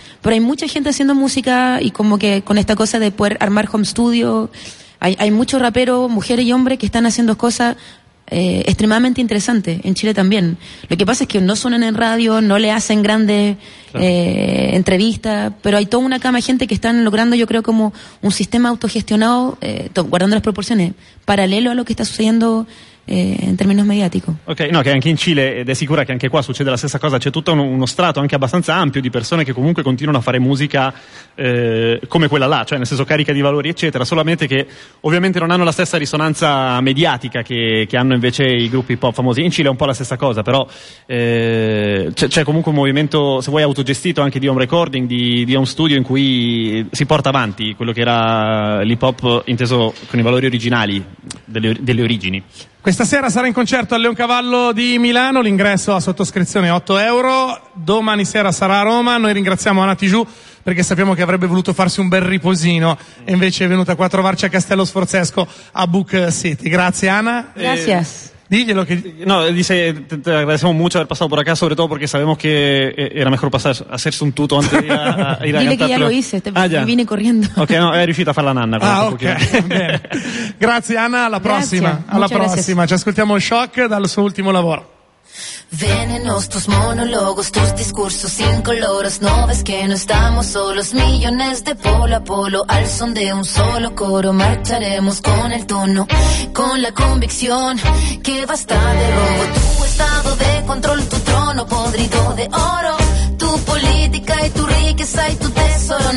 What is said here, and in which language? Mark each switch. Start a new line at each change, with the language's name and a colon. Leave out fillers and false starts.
Spanish: Pero hay mucha gente haciendo música y como que con esta cosa de poder armar home studio, hay muchos raperos, mujeres y hombres, que están haciendo cosas extremadamente interesante en Chile también. Lo que pasa es que no suenan en radio, no le hacen grandes claro. Entrevistas, pero hay toda una cama de gente que están logrando, yo creo, como un sistema autogestionado, guardando las proporciones, paralelo a lo que está sucediendo en términos mediáticos.
Italian: Ok, no, che anche in Cile, ed è sicura che anche qua succede la stessa cosa, c'è tutto uno strato anche abbastanza ampio di persone che comunque continuano a fare musica come quella là, cioè nel senso carica di valori eccetera, solamente che ovviamente non hanno la stessa risonanza mediatica che hanno invece i gruppi pop famosi. In Cile è un po' la stessa cosa, però c'è comunque un movimento, se vuoi, autogestito anche di home recording, di home studio, in cui si porta avanti quello che era l'hip hop inteso con i valori originali delle origini. Questa sera sarà in concerto al Leoncavallo di Milano, l'ingresso a sottoscrizione 8 euro, domani sera sarà a Roma, noi ringraziamo Anna Tijoux perché sappiamo che avrebbe voluto farsi un bel riposino e invece è venuta qua a trovarci a Castello Sforzesco a Book City. Grazie Anna. Grazie. Diglielo che...
Spanish: No, dice, te agradecemo mucho
Italian: aver passato
Spanish: por acá, sobre todo porque sabemos que era mejor pasar, hacerse un tuto antes de ir a cantar. Dile que ya lo hice, vine corriendo.
Italian: Ok, no, è riuscita a fare la nanna. Ah, ok. Grazie Anna, alla prossima. Grazie. Alla prossima.
Spanish: Gracias.
Italian: Ci ascoltiamo Shock dal suo ultimo lavoro.
Spanish: Venenos tus monólogos, tus discursos incoloros. No ves que no estamos solos, millones de polo a polo. Al son de un solo coro marcharemos con el tono, con la convicción que basta de robo. Tu estado de control, tu trono podrido de oro, tu política y tu riqueza y tu tesoro.